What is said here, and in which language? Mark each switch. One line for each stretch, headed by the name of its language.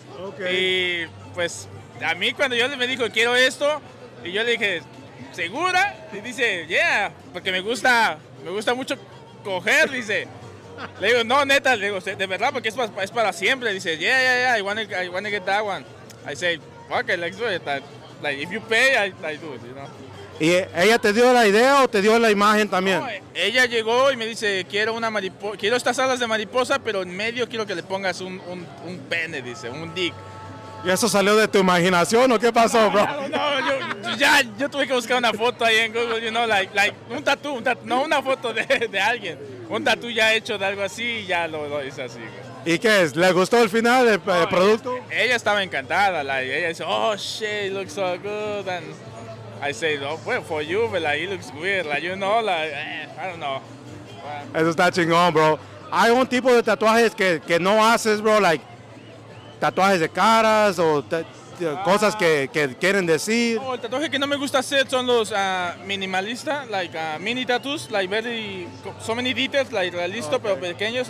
English: Okay.
Spanish: Y pues a mí cuando yo me dijo, quiero esto, y yo le dije, ¿segura? Y dice, yeah, porque me gusta mucho coger, dice. Le digo, no, neta, le digo, de verdad, porque es para siempre. Dice,
English: yeah, I wanna get that one. I say, fuck it, let's do it. Like, if you pay, I do it, you know.
Spanish: ¿Y ella te dio la idea o te dio la imagen también? No, ella llegó y me dice, quiero una mariposa, quiero estas alas de mariposa, pero en medio quiero que le pongas un pene, dice, un dick. ¿Y eso salió de tu imaginación o qué pasó, bro? No, yo tuve que buscar una foto ahí en Google,
English: you know, like
Spanish: un tatu, no una foto de alguien, un tatu ya hecho de algo así y ya lo hice así. Bro. ¿Y qué es? ¿Le gustó el final del producto? Ella estaba encantada,
English: like,
Spanish: ella dice,
English: oh, shit, looks so good, and I say, oh, well, for you, but like, it looks weird. Like, you know, like, I don't know.
Spanish: Eso está chingón, bro. Hay un tipo de tatuajes que no haces, bro, like, tatuajes de caras o cosas que quieren decir. No, el tatuaje que no me gusta hacer son los minimalistas,
English: like mini tattoos, like very, so many details,
Spanish: like realistas, okay. Pero pequeños.